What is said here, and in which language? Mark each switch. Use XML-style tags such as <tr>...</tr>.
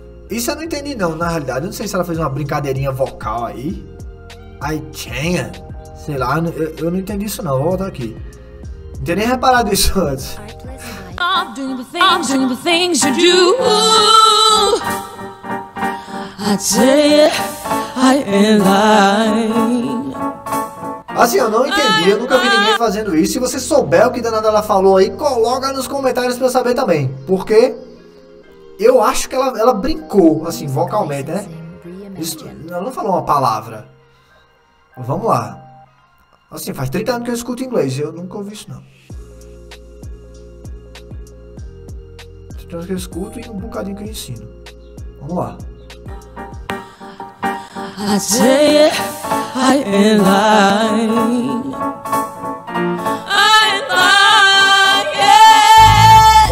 <pt>Isso eu não entendi não, na realidade. Eu não sei se ela fez uma brincadeirinha vocal aí.</pt> <en>I tell you.</en> <pt>Sei lá, eu não entendi isso não. Vou voltar aqui. Não tinha nem reparado isso antes.</pt> <en>I'm doing the things you do. I tell you, I am lying.</en> <pt>Assim, eu não entendi, eu nunca vi ninguém fazendo isso. Se você souber o que danada ela falou aí, coloca nos comentários pra eu saber também. Porque eu acho que ela brincou, assim, vocalmente, né? Isso, ela não falou uma palavra. Vamos lá. Assim, faz 30 anos que eu escuto inglês, eu nunca ouvi isso, não. 30 anos que eu escuto e um bocadinho que eu ensino. Vamos lá.</pt> <en>I say I am lying. I am lying.</en>